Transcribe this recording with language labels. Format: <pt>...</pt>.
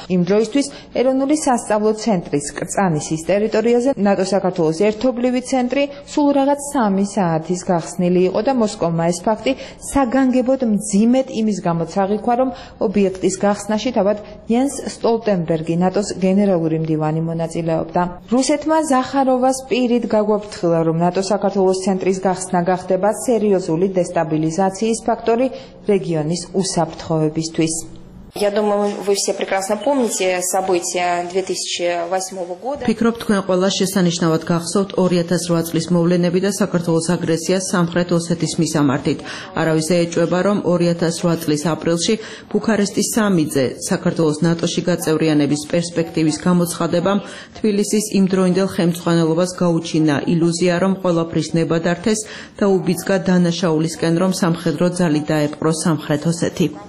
<ka>იმ დროისთვის ეროვნული სასწავლო ცენტრის კრწანისის ტერიტორიაზე ნატო საქართველოს ერთობლივი ცენტრი სულ რაღაც 3 საათის გახსნილი იყო და მოსკოვმა ეს ფაქტი საგანგებოდ მძიმედ იმის გამო წაღიქვა, რომ ობიექტის გახსნაში თავად იენს სტოლტენბერგი, ნატოს გენერალური მდივანი, მონაწილეობდა. რუსეთმა ზახაროვას პირით გაგვაფრთხილა, რომ ნატო საქართველოს ცენტრის გახსნა გახდება სერიოზული დესტაბილიზაციის ფაქტორი რეგიონის უსაფრთხოებისთვის.</ka> <ru>Я думаю, вы все прекрасно помните события 2008 года.</ru> <ka>Пикроп ткуен ყველა შესანიშნავად გახსოვთ 2008 წლის მოვლენები და საქართველოს აგრესია სამხრეთ ოსეთის მისამართით. Არავის ეჭვება, რომ 2008 წლის აპრილში ბუქარესტის სამიზე საქართველოს ნატოში გაწევრიანების პერსპექტივის გამოცხადებამ თბილისის იმდროინდელ ხელმძღვანელობას გაუჩინა ილუზია, რომ ყველაფრის ნებადართეს და უბიძგა დანაშაულისკენ, რომ სამხედრო ძალი დაეპყრო სამხრეთ ოსეთი.</ka>